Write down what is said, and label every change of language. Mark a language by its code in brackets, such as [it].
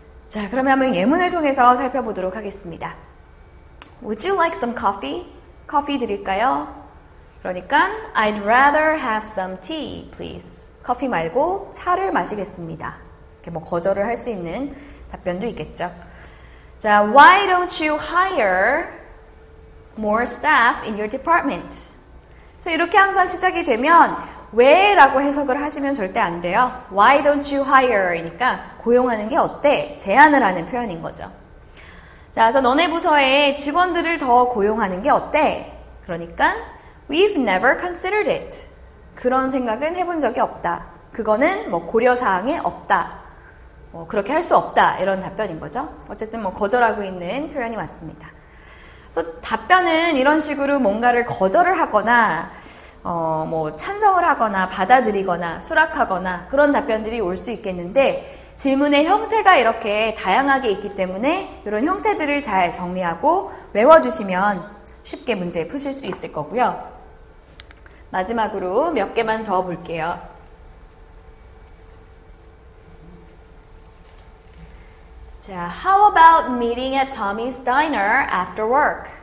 [ko] 자, 그러면 한번 예문을 통해서 살펴보도록 하겠습니다. [en] Would you like some coffee? [ko] 커피 드릴까요? 그러니까 [en] I'd rather have some tea, please. [ko] 커피 말고 차를 마시겠습니다. 이렇게 뭐 거절을 할 수 있는 답변도 있겠죠. [en] 자, why don't you hire more staff in your department. [ko] So 이렇게 항상 시작이 되면 왜? 라고 해석을 하시면 절대 안 돼요. [en] Why don't you hire? [ko] 이니까 고용하는 게 어때? 제안을 하는 표현인 거죠. 자, 그래서 너네 부서에 직원들을 더 고용하는 게 어때? [en] 그러니까 We've never considered it. [ko] 그런 생각은 해본 적이 없다. 그거는 뭐 고려사항에 없다. 뭐 그렇게 할 수 없다. 이런 답변인 거죠. 어쨌든 뭐 거절하고 있는 표현이 맞습니다. 그래서 답변은 이런 식으로 뭔가를 거절을 하거나 뭐 찬성을 하거나 받아들이거나 수락하거나 그런 답변들이 올 수 있겠는데 질문의 형태가 이렇게 다양하게 있기 때문에 이런 형태들을 잘 정리하고 외워두시면 쉽게 문제 푸실 수 있을 거고요. 마지막으로 몇 개만 더 볼게요. [en] 자, how about meeting at Tommy's Diner after work?